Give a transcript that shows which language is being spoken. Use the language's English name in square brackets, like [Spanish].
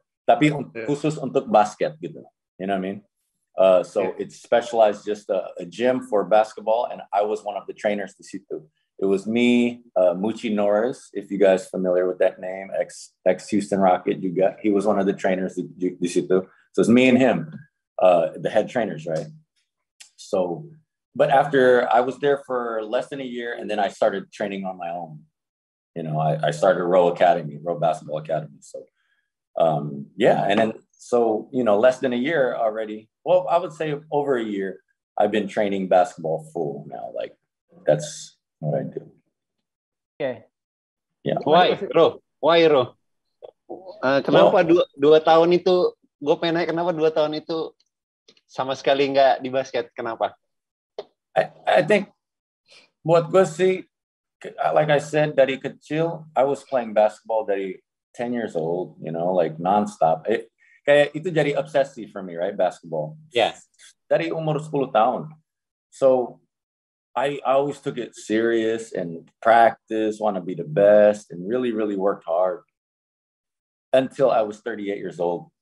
[Indonesian] Tapi khusus untuk basket, gitu. [English] You know what I mean? It's specialized just a gym for basketball, and I was one of the trainers to situ. It was me, Muchi Norris, if you guys are familiar with that name, ex Houston Rocket. He was one of the trainers to situ. So it's me and him, the head trainers, right? So, but after I was there for less than a year, and then I started training on my own. You know, I started Row Basketball Academy. So, less than a year already. Well, I would say over a year, I've been training basketball full now. Like, that's what I do. Okay. Yeah. Why, Ro? [Indonesian] Kenapa dua tahun itu, gue pengen nanya, kenapa dua tahun itu sama sekali nggak di basket? Kenapa? [English] I think, [Indonesian] buat gue sih, [English] like I said, [Indonesian] dari kecil, [English] I was playing basketball dari 10 years old, you know, like nonstop. [Indonesian] kayak itu jadi obsesi [English] for me, right? [Indonesian] Basketball. [English] Yes. [Indonesian] Dari umur 10 tahun. [English] So I always took it serious and practice, want to be the best and really, really worked hard until I was 38 years old.